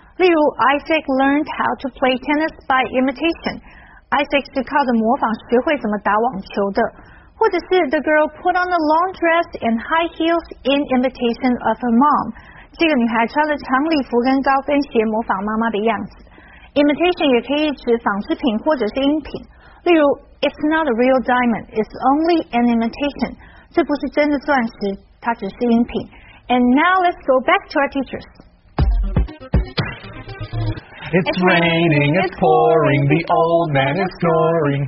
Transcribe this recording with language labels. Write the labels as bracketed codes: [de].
[zh] 例如 [en] Isaac learned how to play tennis by imitation. [zh] Isaac 是靠着模仿学会怎么打网球的。或者是 [en] the girl put on a long dress and high heels in imitation of her mom. [zh] 这个女孩穿了长礼服跟高跟鞋模仿妈妈的样子。 Imitation 也可以指仿制品或者是音品。例如 [en] it's not a real diamond, it's only an imitation. [zh] 这不是真的钻石，它只是音品。 [en] And now let's go back to our teachers. It's raining, it's pouring, the old man is snoring.